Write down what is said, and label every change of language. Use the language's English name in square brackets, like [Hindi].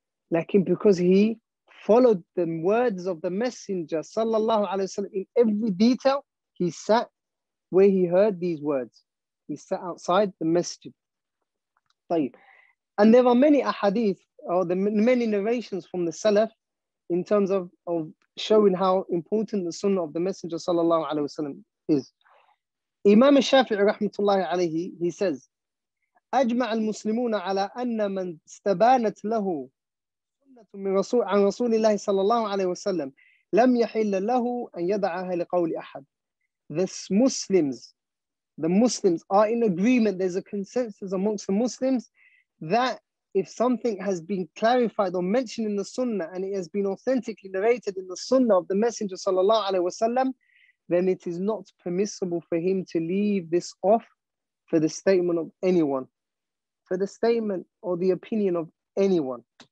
[English] Lakin, because he followed the words of the Messenger sallallahu alaihi wasallam in every detail, he sat where he heard these words. He sat outside the masjid. And there are many ahadith, or the many narrations from the Salaf, in terms of showing how important the Sunnah of the Messenger sallallahu alaihi wasallam is. [Arabic] إمام الشافعي رحمة الله عليه [English] he says [Arabic] أجمع المسلمون على أن من استبانت له سنة من رسول عن رسول الله صلى الله عليه وسلم لم يحل له أن يدعها لقول أحد. [English] The Muslims are in agreement. There's a consensus amongst the Muslims that if something has been clarified or mentioned in the Sunnah and it has been authentically narrated in the Sunnah of the Messenger sallallahu alaihi wasallam, then it is not permissible for him to leave this off for the statement of anyone, for the statement or the opinion of anyone.